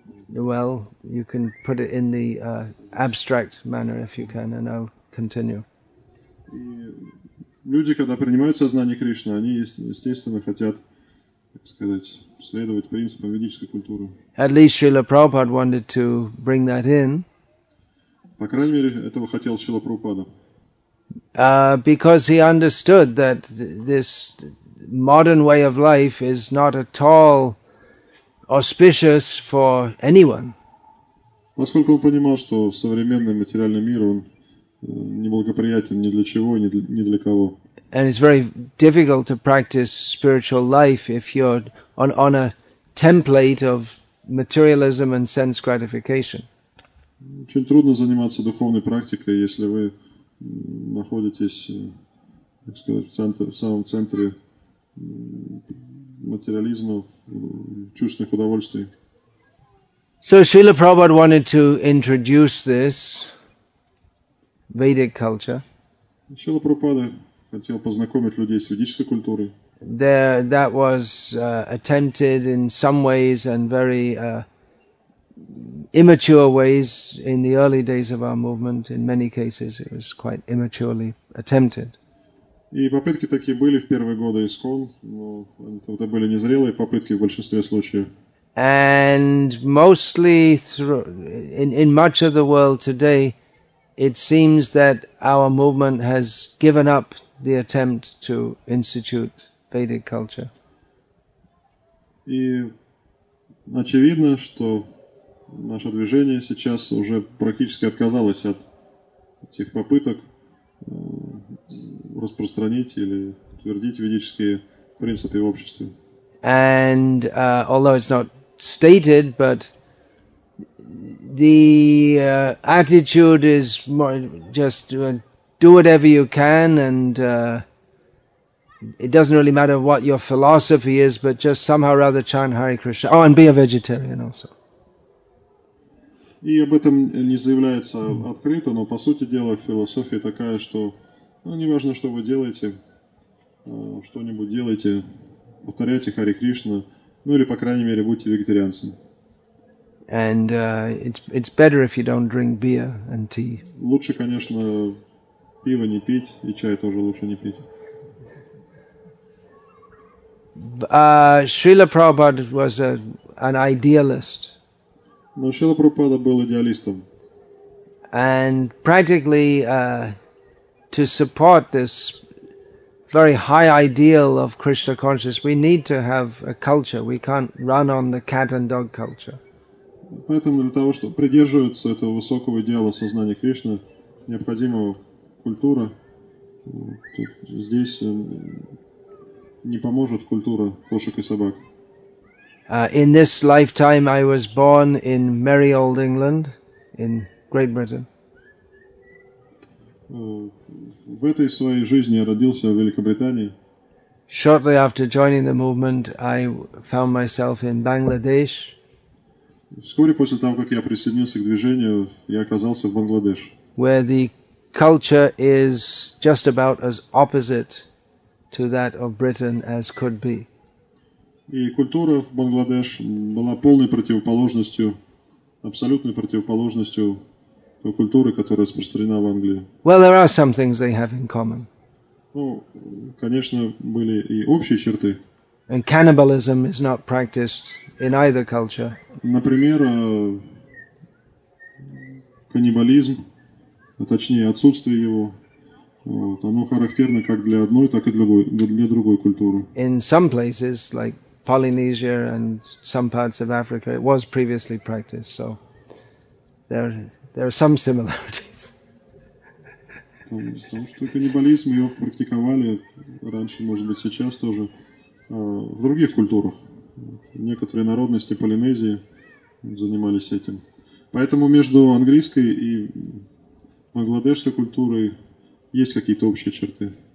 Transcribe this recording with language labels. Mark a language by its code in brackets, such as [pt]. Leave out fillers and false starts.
[en] Well, you can put it in the abstract manner if you can, and I'll continue. [ru] Люди, когда принимают сознание Кришны, они естественно хотят, так сказать, следовать принципам ведической культуры. [en] At least Srila Prabhupada wanted to bring that in. [ru] По крайней мере, этого хотел Шрила Прабхупада. [en] Because he understood that this modern way of life is not at all auspicious for anyone. [ru] Поскольку он понимал, что современный материальный мир он неблагоприятен ни для чего, ни для кого. [en] And it's very difficult to practice spiritual life if you're on a template of materialism and sense gratification. [ru] Очень трудно заниматься духовной практикой, если вы находитесь, так сказать, в самом центре материализма, чувственных удовольствий. [en] So Srila Prabhupada wanted to introduce this Vedic culture. [ru] Srila Prabhupada хотел познакомить людей с ведической культурой. [en] There, that was attempted in some ways and very immature ways in the early days of our movement. In many cases it was quite immaturely attempted. [ru] И попытки такие были в первые годы ИСККОН, но это были незрелые попытки в большинстве случаев. [en] And mostly in much of the world today, it seems that our movement has given up the attempt to institute Vedic culture. [ru] И очевидно, что наше движение сейчас уже практически отказалось от этих попыток распространить или утвердить ведические принципы в обществе. [en] And although it's not stated, but the attitude is more just do whatever you can, and it doesn't really matter what your philosophy is, but just somehow or other chant Hare Krishna. Oh, and be a vegetarian also. [ru] И об этом не заявляется открыто, но по сути дела философия такая, что не важно, что вы делаете, что-нибудь делайте, повторяйте Харе Кришна, ну или, по крайней мере, будьте вегетарианцем. [en] And it's better if you don't drink beer and tea. [ru] Лучше, конечно, пиво не пить, и чай тоже лучше не пить. [en] Srila Prabhupada was an idealist. [ru] Но Шрила Прабхупада был идеалистом. [en] And practically to support this very high ideal of Krishna consciousness, we need to have a culture. We can't run on the cat and dog culture. [ru] Поэтому для того, чтобы придерживаться этого высокого идеала сознания Кришны, необходима культура. Здесь не поможет культура кошек и собак. [en] In this lifetime I was born in Merry Old England, in Great Britain. [ru] В этой своей жизни я родился в Великобритании. [en] Shortly after joining the movement, I found myself in Bangladesh. [ru] Вскоре после того, как я присоединился к движению, я оказался в Бангладеш. [en] Where the culture is just about as opposite to that of Britain as could be. [ru] И культура в Бангладеш была полной противоположностью, абсолютной противоположностью той культуры, которая распространена в Англии. [en] Well, there are some things they have in common. [ru] Ну, конечно, были и общие черты. [en] And cannibalism is not practiced in either culture. [ru] Например, каннибализм, а точнее отсутствие его, вот, оно характерно как для одной, так и для другой культуры. [en] In some places, like Polynesia and some parts of Africa, it was previously practiced, so there are some similarities. [ru] Потому что каннибализм его практиковали раньше, может быть, сейчас тоже. В других культурах некоторые народности Полинезии занимались этим. Поэтому между английской и бангладешской культурой есть какие-то общие черты.